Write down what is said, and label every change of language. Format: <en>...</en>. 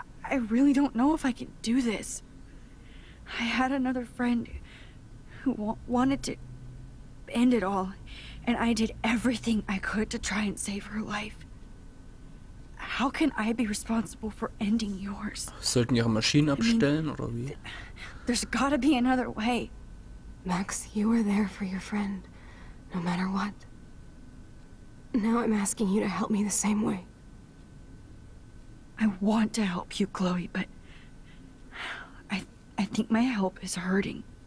<en>I really don't know if I can do this. I had another friend who wanted to end it all, and I did everything I could to try and save her life. How can I be responsible for ending yours?</en> <de>Sollten ihre Maschinen abstellen,</de> <en>I mean,</en> <de>oder wie?</de> <en>There's gotta be another way. Max, you were there for your friend, no matter what. Now I'm asking you to help me the same way. I want to help you, Chloe, but I think my help is hurting.</en>